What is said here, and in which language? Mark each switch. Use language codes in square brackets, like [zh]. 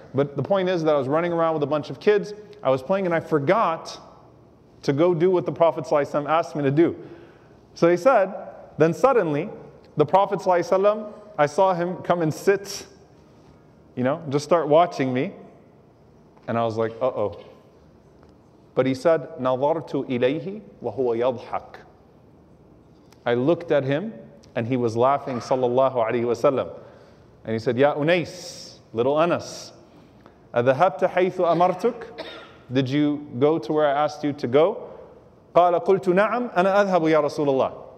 [en] But the point is that I was running around with a bunch of kids. I was playing and I forgot to go do what the Prophet sallallahu alaihi wasallam asked me to do. So he said, then suddenly, the Prophet ﷺ, I saw him come and sit, you know, just start watching me. And I was like, uh-oh. But he said, [ar] نَظَرْتُ إِلَيْهِ وَهُوَ يَضْحَكُ. [en] I looked at him, and he was laughing, sallallahu alayhi wa sallam. And he said, Ya Unais, little Anas, [ar] أَذَهَبْتَ حَيْثُ أَمَرْتُكُ. [en] Did you go to where I asked you to go? [ar] قَالَ قُلْتُ نَعَمْ أَنَا أَذْهَبُ يَا رَسُولَ اللَّهِ.